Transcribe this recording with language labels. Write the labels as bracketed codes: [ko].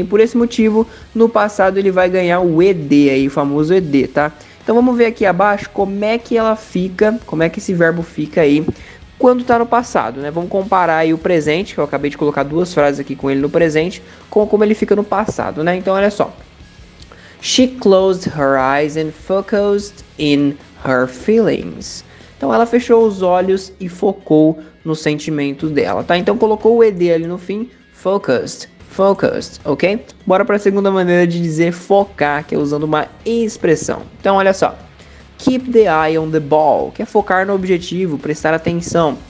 [pt] E por esse motivo, no passado ele vai ganhar o ED aí, o famoso ED, tá? Então vamos ver aqui abaixo como é que ela fica, como é que esse verbo fica aí quando tá no passado, né? Vamos comparar aí o presente, que eu acabei de colocar duas frases aqui com ele no presente, com como ele fica no passado, né? Então olha só. [en] She closed her eyes and focused in her feelings. [pt] Então ela fechou os olhos e focou no sentimento dela, tá? Então colocou o ED ali no fim, focused, focused, ok? Bora para a segunda maneira de dizer focar, que é usando uma expressão. Então olha só, [en] keep the eye on the ball, [pt] que é focar no objetivo, prestar atenção.